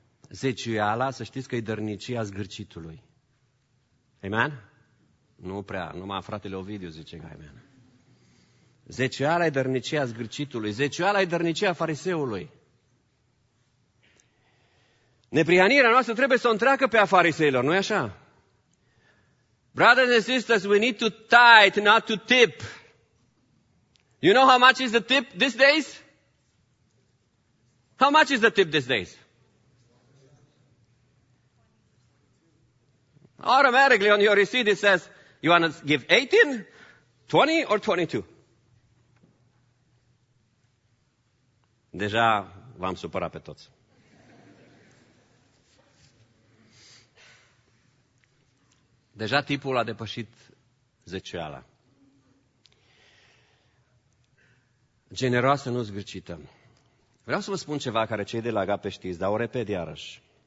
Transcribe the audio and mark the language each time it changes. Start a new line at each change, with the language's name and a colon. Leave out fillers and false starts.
Romanian: Zeciuiala, să știți că e dărnicia zgârcitului. Amen? Nu prea, numai fratele Ovidiu zice că amen. Zeciuiala e dărnicia zgârcitului, zeciuiala e dărnicia fariseului. Neprihanirea noastră trebuie să o întreacă pe a fariseilor, nu-i așa?
English: Brothers and sisters, we need to tithe, not to tip. You know how much is the tip these days? How much is the tip these days? Automatically on your receipt it says, you want to give 18, 20 or 22?
Romanian: Deja v-am supărat pe toți. Deja tipul a depășit zeceala. Generoasă, nu zgârcită. Vreau să vă spun ceva care cei de la Agape știți, dar o repet iarăși.